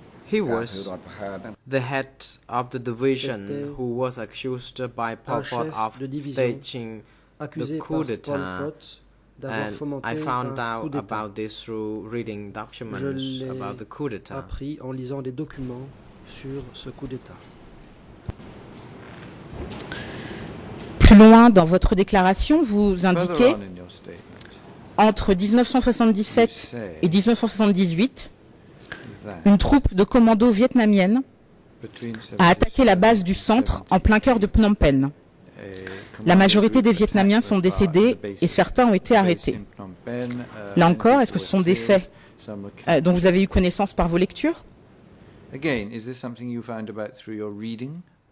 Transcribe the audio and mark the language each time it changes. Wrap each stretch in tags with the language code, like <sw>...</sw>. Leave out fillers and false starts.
<en>He was the head of the division who was accused by Pol Pot of staging the coup d'etat. And I found out about this through reading documents about the coup d'etat.</en> <fr>Appris en lisant des documents sur ce coup d'état. Plus loin dans votre déclaration, vous indiquez entre 1977 et 1978, une troupe de commandos vietnamiennes a attaqué la base du centre en plein cœur de Phnom Penh. La majorité des Vietnamiens sont décédés et certains ont été arrêtés. Là encore, est-ce que ce sont des faits dont vous avez eu connaissance par vos lectures?</fr> <en>Again, is this something you found about through your reading?</en>